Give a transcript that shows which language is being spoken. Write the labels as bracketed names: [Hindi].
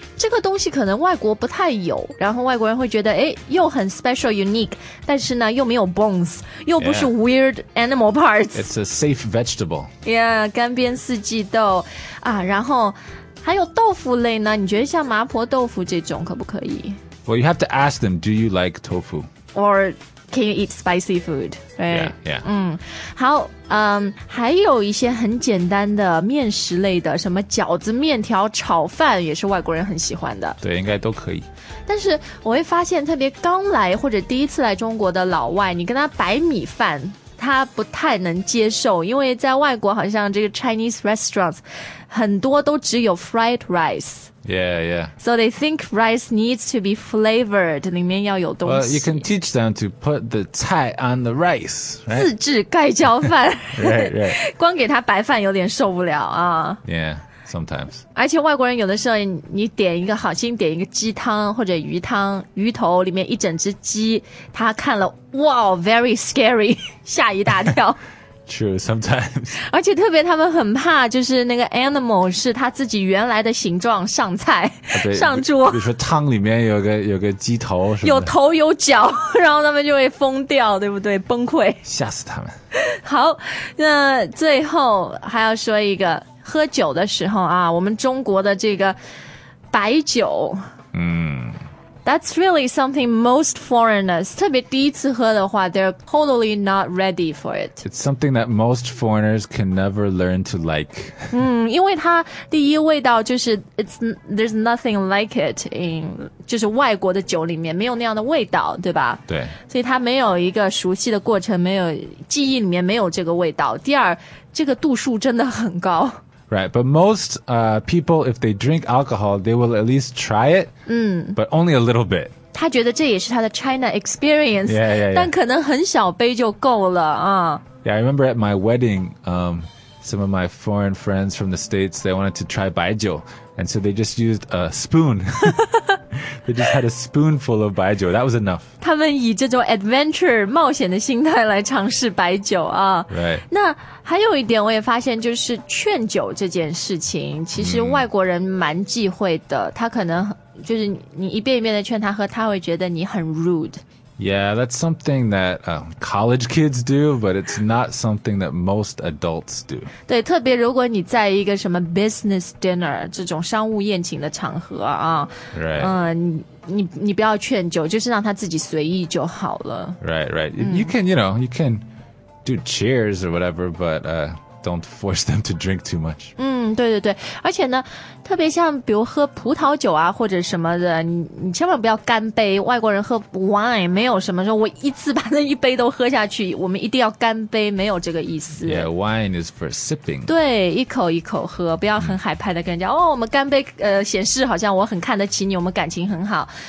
[Chinese] 这个东西可能外国不太有，然后外国人会觉得诶又很 [English] special unique, [Chinese] 但是呢又没有 [English] bones, [Chinese] 又不是 [English] weird animal parts. It's a safe vegetable. [Chinese] Yeah, 干煸四季豆啊，然后还有豆腐类呢，你觉得像麻婆豆腐这种可不可以？ [English] Well, you have to ask them, do you like tofu? Or can you eat spicy food? Right? Yeah, yeah. [Chinese] 嗯，好，还有一些很简单的面食类的，什么饺子、面条、炒饭也是外国人很喜欢的。对，应该都可以。但是我会发现，特别刚来或者第一次来中国的老外，你跟他白米饭，他不太能接受，因为在外国好像这个 [English] Chinese restaurants [Chinese] 很多都只有 [English] fried rice。 Yeah, yeah. So they think rice needs to be flavored. [Chinese] 里面要有东西。 [English] Well, you can teach them to put the 菜 on the rice, right? [Chinese] 自制盖浇饭。 [English] Right, right. [Chinese] 光给他白饭有点受不了啊。 [English] Yeah, sometimes. [Chinese] 而且外国人有的时候你点一个好心点一个鸡汤或者鱼汤，鱼头里面一整只鸡，他看了，哇、 [English] wow, very scary, [Chinese] 吓一大跳。 [English] True, sometimes. [Chinese] 而且特别他们很怕就是那个 animal 是他自己原来的形状上菜、啊、上桌。比如说汤里面有个鸡头什么的。有头有脚，然后他们就会疯掉，对不对？崩溃。吓死他们。好，那最后还要说一个，喝酒的时候啊，我们中国的这个白酒。 [English] That's really something most foreigners, [Chinese] 特别第一次喝的话 [English] they're totally not ready for it. It's something that most foreigners can never learn to like. [Chinese] 嗯，因为它第一味道就是 [English] it's, there's nothing like it in, [Chinese] 就是外国的酒里面没有那样的味道，对吧？对。所以它没有一个熟悉的过程，没有记忆里面没有这个味道。第二，这个度数真的很高。 [English] Right, but most people, if they drink alcohol, they will at least try it,、but only a little bit. [Chinese] 他觉得这也是他的 [English] China experience, yeah, yeah, yeah. [Chinese] 但可能很小杯就够了、 [English] Yeah, I remember at my wedding, some of my foreign friends from the States, they wanted to try 白酒, and so they just used a spoon. They just had a spoonful of 白酒, that was enough. [Chinese] 他们以这种 adventure, 冒险的心态来尝试白酒啊。 [English] Right. [Chinese] 那还有一点我也发现就是劝酒这件事情其实外国人蛮忌讳的、他可能就是你一遍一遍的劝他喝他会觉得你很 rude。 [English] Yeah, that's something that college kids do, but it's not something that most adults do. [Chinese] 对，特别如果你在一个什么 [English] business dinner [Chinese] 这种商务宴请的场合啊， [English] right. [Chinese] 你不要劝酒，就是让他自己随意就好了。 [English] Right, right.、You can, you know, you can do cheers or whatever, but don't force them to drink too much. [Chinese] 嗯，对对对，而且呢，特别像比如喝葡萄酒啊或者什么的，你千万不要干杯。外国人喝 wine 没有什么说我一次把那一杯都喝下去，我们一定要干杯，没有这个意思。 [English] Yeah, wine is for sipping. [Chinese] 对，一口一口喝，不要很海派的跟人家、哦，我们干杯，显示好像我很看得起你，我们感情很好。